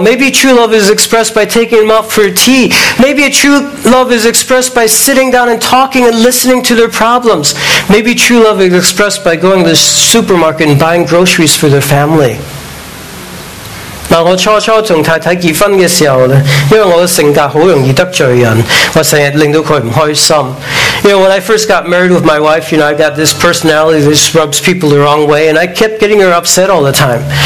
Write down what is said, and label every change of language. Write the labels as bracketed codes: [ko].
[en] Maybe true love is expressed by taking him out for tea. Maybe a true love is expressed by sitting down and talking and listening to their problems. Maybe true love is expressed by going to the supermarket and buying groceries for their family. [zh] 我初初跟太太結婚的時候,因為我的性格很容易得罪人,我經常令到她不開心. [en] You know, when I first got married with my wife, you know, I got this personality that just rubs people the wrong way, and I kept getting her upset all the time.